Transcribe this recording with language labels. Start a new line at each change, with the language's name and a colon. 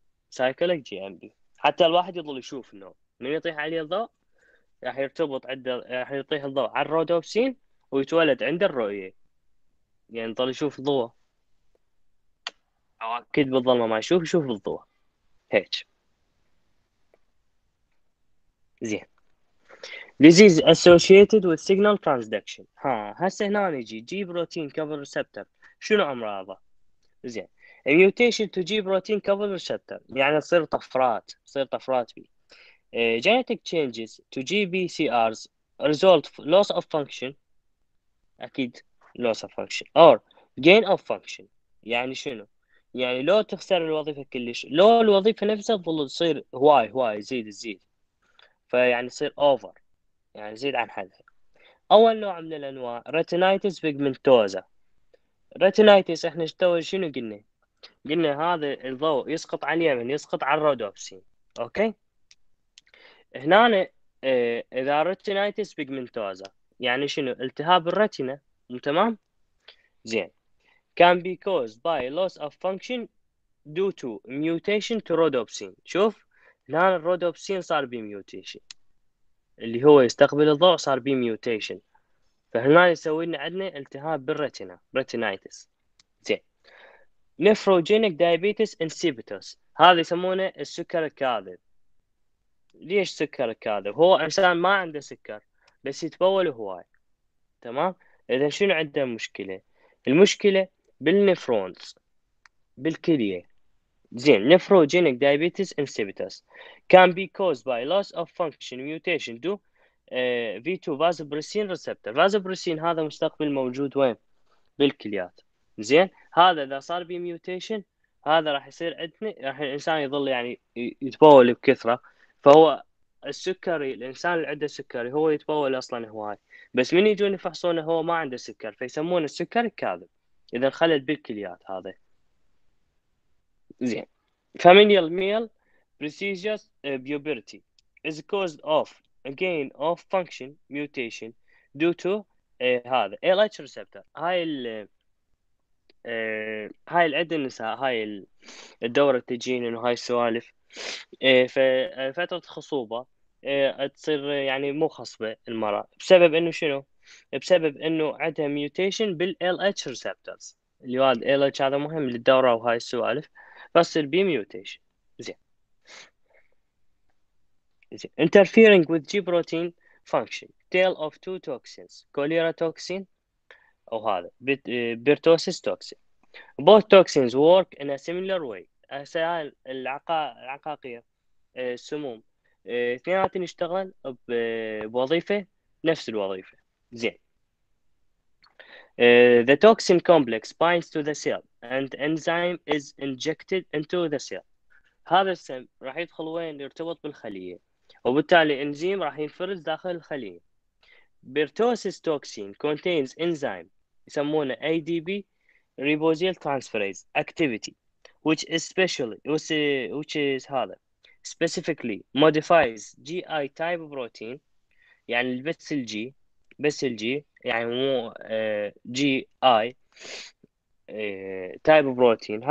Arabic: سايكليك جي ام بي، حتى الواحد يظل يشوف انه من يطيح عليه الضوء راح يرتبط عنده، راح يطيح الضوء على الرودوبسين ويتولد عند الرؤية، يعني يظل يشوف الضوء. او اكيد بالظلمة ما يشوف، يشوف الضوء هيك.
English: زين، disease associated with signal transduction.
Arabic: ها هسه هنا نجي جي بروتين كفر ريسبتر، شنو امراضه؟ زين، الميوتيشن تو جي بروتين كفر ريسبتر يعني تصير طفرات، تصير طفرات بي.
English: genetic changes to G P C Rs result loss of function,
Arabic: اكيد
English: Loss of function or gain of function.
Arabic: يعني شنو؟ يعني لو تخسر الوظيفه كلش، لو الوظيفه نفسها تظل تصير هواي هواي، يزيد يزيد، فيعني يصير اوفر، يعني زيد عن حدها. اول نوع من الانواع ريتينايتس بيجمنتوزا. ريتينايتس احنا شنو قلنا؟ قلنا هذا الضوء يسقط على اليمن، يسقط على الرودوبسين، اوكي. هنا اذا ريتينايتس بيجمنتوزا يعني شنو؟ التهاب الرتينة، تمام.
English: زين، can be caused by loss of function due to mutation to rhodopsin.
Arabic: شوف هنا الرودوبسين صار بي ميوتيشن، اللي هو يستقبل الضوء صار بي ميوتيشن، فهنا يسوي لنا عندنا التهاب بالريتنا، ريتينايتس. زين، نيفروجينيك دايابيتس انسيبيتوس، هذا يسمونه السكر الكاذب. ليش سكر الكاذب؟ هو انسان ما عنده سكر بس يتبول هواي، تمام. اذا شنو عنده مشكله؟ المشكله بالنيفرونز بالكليه.
English: زين، nephrogenic diabetes insipidus can be caused by loss of function mutation to V2 vasopressin receptor.
Arabic: vasopressin هذا مستقبل موجود وين؟ بالكليات. زين، هذا اذا صار بي ميوتيشن هذا راح يصير عندنا، راح الانسان يظل يعني يتبول بكثره، فهو السكري، الانسان اللي عنده سكري هو يتبول اصلا هواي، بس من يجون يفحصونه هو ما عنده سكر، فيسمونه السكر الكاذب اذا خلل بالكليات هذا.
English: زين، familial male precocious puberty is caused of gain of function mutation due to هذا LH receptor. هاي
Arabic: هاي الأدنسة، هاي الدورة تجين إنه هاي السوالف. ففترة الخصوبة تصير يعني مو خصبة المرأة، بسبب إنه شنو؟ بسبب إنه عندها ميوتيشن بال LH receptors، اللي هو LH هذا مهم للدورة وهاي السوالف، بس بي ميوتيشن.
English: زين interfering with G protein function tail of two toxins cholera toxin
Arabic: أو هذا
English: Pertussis toxin. Both toxins work in a similar way.
Arabic: أسأل العقاقير السموم اثنيناتهم يشتغل بوظيفة نفس الوظيفة.
English: زين the toxin complex binds to the cell and enzyme is injected into the cell.
Arabic: هذا السم راح يدخل وين؟ يرتبط بالخلية، وبالتالي انزيم راح ينفرز داخل الخلية.
English: pertussis toxin contains enzyme
Arabic: يسمونه
English: ADP ribosyl transferase activity which is specially which is هذا specifically modifies GI type protein
Arabic: يعني البس الجي، بس الجي يعني مو
English: G I type protein.